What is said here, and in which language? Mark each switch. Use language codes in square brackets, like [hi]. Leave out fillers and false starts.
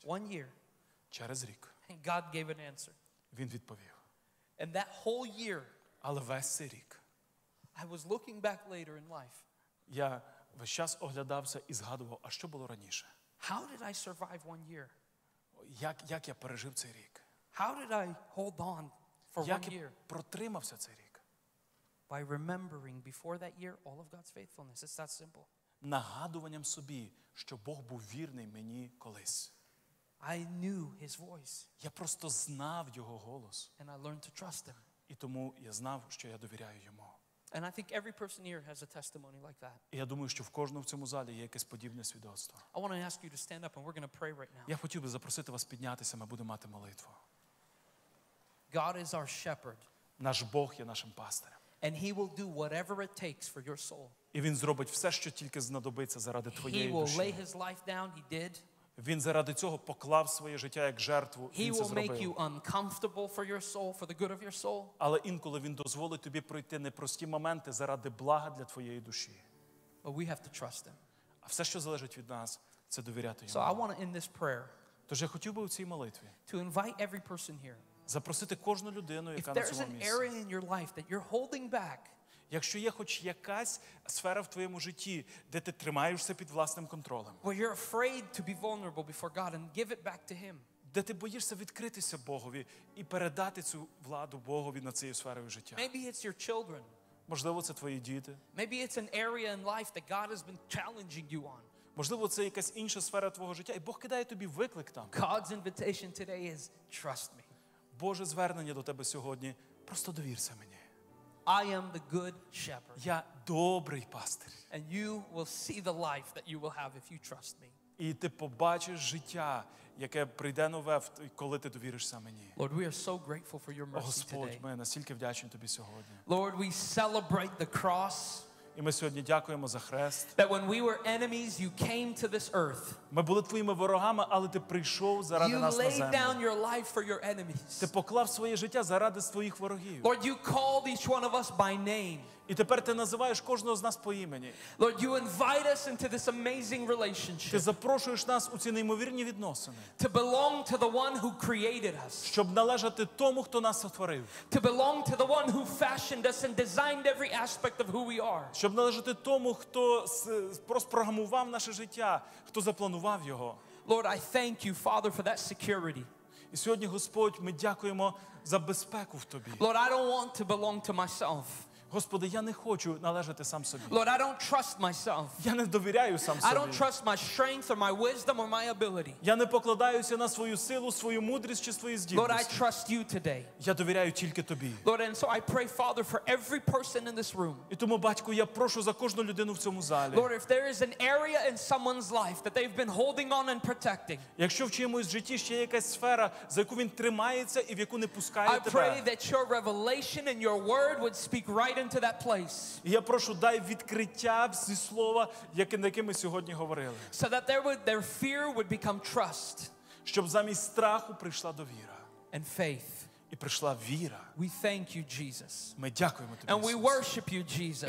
[en] 1 year. [uk] Через рік. [en] And God gave an answer. [uk] Він відповів. [en] And that whole year, [uk] але весь цей рік, [en] I was looking back later in life, [uk] я весь час оглядався і згадував, а що було раніше? [en] How did I survive one year? [uk] Як я пережив цей рік? [en] How did I hold on for one year? [uk] Як я протримався цей рік? [en] By remembering before that year all of God's faithfulness. It's that simple. [uk] Нагадуванням собі, що Бог був вірний мені колись. [en] I knew his voice. [uk] Я просто знав його голос. [en] And I learned to trust him. [uk] І тому я знав, що я довіряю йому. [en] And I think every person here has a testimony like that. [uk] Я думаю, що в кожному в цьому залі є якесь подібне свідоцтво. [en] I want to ask you to stand up and we're going to pray right now. [uk] Я хотів би запросити вас піднятися, ми будемо мати молитву. [en] God is our shepherd. [uk] Наш Бог є нашим пастирем. [en] And he will do whatever it takes for your soul. [uk] І він зробить все, що тільки знадобиться заради твоєї душі. [en] He will lay his life down, he did. [uk] Він заради цього поклав своє життя як жертву, він це зробив. [en] He will make you uncomfortable for your soul, for the good of your soul. [uk] Але інколи він дозволить тобі пройти непрості моменти заради блага для твоєї душі. [en] But we have to trust him. [uk] А все, що залежить від нас, це довіряти йому. [en] So I want to end this prayer. [uk] Тож я хотів би у цій молитві [en] to invite every person here. [uk] Запросити кожну людину, яка на цьому місці. [en] If there's an area in your life that you're holding back. [uk] Якщо є хоч якась сфера в твоєму житті, де ти тримаєшся під власним контролем. [en] Well, you're afraid to be vulnerable before God and give it back to him. [uk] Де ти боїшся відкритися Богові і передати цю владу Богові над цією сферою життя. [en] Maybe it's your children. [uk] Можливо, це твої діти. [en] Maybe it's an area in life that God has been challenging you on. [uk] Можливо, це якась інша сфера твого життя, і Бог кидає тобі виклик там. [en] God's invitation today is trust me. [uk] Боже звернення до тебе сьогодні, просто довірся мені. [en] I am the good shepherd. [uk] Я добрий пастир. [en] And you will see the life that you will have if you trust me. [uk] І ти побачиш життя, яке прийде нове, коли ти довіришся мені. [en] Lord, we are so grateful for your mercy today. [uk] Господь, ми настільки вдячні тобі сьогодні. [en] Lord, we celebrate the cross. [uk] І ми сьогодні дякуємо за хрест. [en] That when we were enemies, you came to this earth. [uk] Ми були твоїми ворогами, але ти прийшов заради нас на землю. [en] You laid down your life for your enemies. [uk] Ти поклав своє життя заради своїх ворогів. [en] Lord, you called each one of us by name. [uk] І тепер ти називаєш кожного з нас по імені. [en] Lord, you invite us into this amazing relationship. [uk] Ти запрошуєш нас у ці неймовірні відносини. [en] To belong to the one who created us. [uk] Щоб належати тому, хто нас створив. [en] To belong to the one who fashioned us and designed every aspect of who we are. [uk] Щоб належати тому, хто спрограмував наше життя, хто запланував його. [en] Lord, I thank you, Father, for that security. [uk] І сьогодні, Господь, ми дякуємо за безпеку в тобі. [en] Lord, I don't want to belong to myself. [uk] Господи, я не хочу належати сам собі. [en] Lord, I don't trust myself. [uk] Я не довіряю сам собі. [en] I don't trust my strength or my wisdom or my ability. [uk] Я не покладаюся на свою силу, свою мудрість чи свої здібності. [en] Lord, I trust you today. [uk] Я довіряю тільки тобі. [en] Lord, and so I pray, Father, for every person in this room. [uk] І тому, батько, я прошу за кожну людину в цьому залі. [en] Lord, if there is an area in someone's life that they've been holding on and protecting. [uk] Якщо в чиємусь житті ще є якась сфера, за яку він тримається і в яку не пускає тебе. [en] I pray that your revelation and your word would speak right into that place. [uk] Я прошу, дай відкриття зі слова, яке ми сьогодні говорили. [en] So that their fear would become trust. [uk] Щоб замість страху прийшла довіра. [en] And faith. [uk] І прийшла віра. [en] We thank you, Jesus. [uk] Ми дякуємо тобі, [en] And we worship you, Jesus.